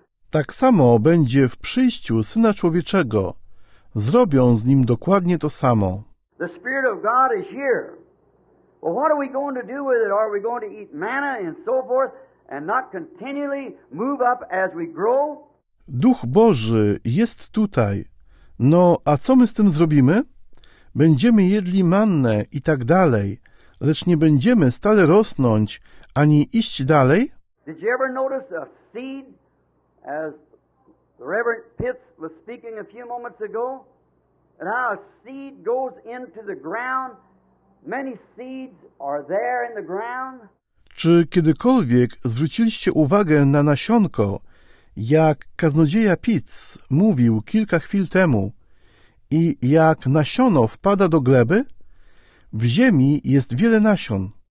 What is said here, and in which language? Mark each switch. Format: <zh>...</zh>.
<pl>Tak samo będzie w przyjściu Syna Człowieczego. Zrobią z nim dokładnie to samo.</pl> <en>The Spirit of God is here. Well, what are we going to do with it? Are we going to eat manna and so forth? And not continually move up as we grow?</en> <pl>Duch Boży jest tutaj. No, a co my z tym zrobimy? Będziemy jedli mannę i tak dalej, lecz nie będziemy stale rosnąć ani iść dalej?</pl> <en>Did you ever notice a seed, as the Reverend Pitts was speaking a few moments ago, and how a seed goes into the ground? Many seeds are there in the ground.</en> <pl>Czy kiedykolwiek zwróciliście uwagę na nasionko, jak kaznodzieja Pitts mówił kilka chwil temu, i jak nasiono wpada do gleby? W ziemi jest wiele nasion.</pl>